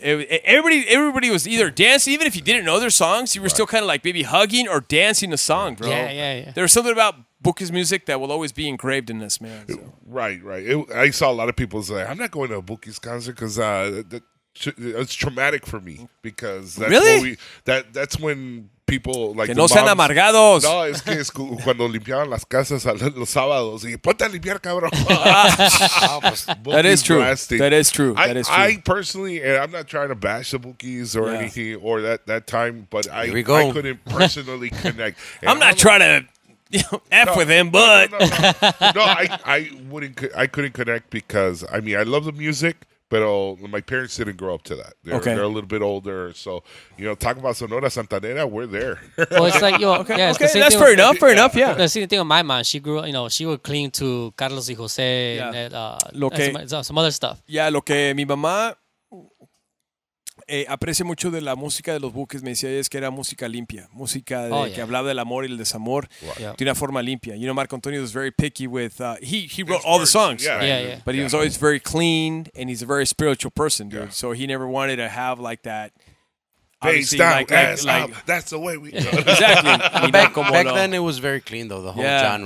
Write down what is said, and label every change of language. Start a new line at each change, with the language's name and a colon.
English: Everybody was either dancing, even if you didn't know their songs, you were still kind of like maybe hugging or dancing a song, bro. Yeah. There was something about Bukis music that will always be engraved in this, man. So. Right. I saw a lot of people say, I'm not going to a Bukis concert because it's traumatic for me because really? That's when people like
Spanish: que no sean
English: moms,
Spanish: amargados. No, es que es cuando limpiaban las casas los sábados y ponte a limpiar, cabrón.
English: That is true. Drastic. That is true. I personally, and I'm not trying to bash the Bookies or anything or that time, but I couldn't personally connect. I'm not trying to F with him, but I couldn't connect because I mean I love the music. But my parents didn't grow up to that. They're a little bit older. So, you know, talk about Sonora Santanera, we're there. Well, it's like, that's fair enough, The same thing with my mom. She grew, you know, she would cling to Carlos y José and some other stuff.
Spanish: Yeah, lo que mi mamá aprecia mucho de la música de los Buques, me decía ella, es que era música limpia. Música que hablaba del amor y el desamor de una forma limpia.
English: You know, Marco Antonio was very picky with, he wrote his all words. The songs. But he was always very clean and he's a very spiritual person, dude. So he never wanted to have like that. Based down, ass like, out. That's the way we do it. Exactly. back then it was very clean, though, the whole genre.